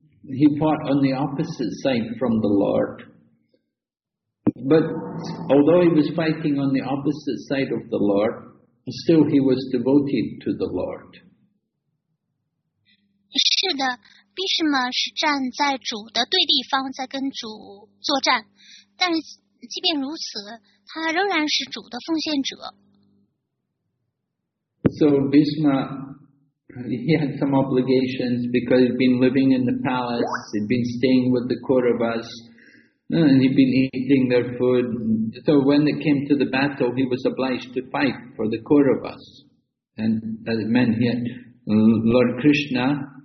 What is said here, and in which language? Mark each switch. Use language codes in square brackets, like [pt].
[en] He fought on the opposite side from the Lord. But although he was fighting on the opposite side of the Lord, still he was devoted to the Lord. [zh] 是的，毕什玛是站在主的对立方，在跟主作战。但即便如此，他仍然是主的奉献者。 [en] So Bhishma, he had some obligations because he'd been living in the palace, he'd been staying with the Kauravas, and he'd been eating their food. So when it came to the battle, he was obliged to fight for the Kauravas, and that meant he had Lord Krishna.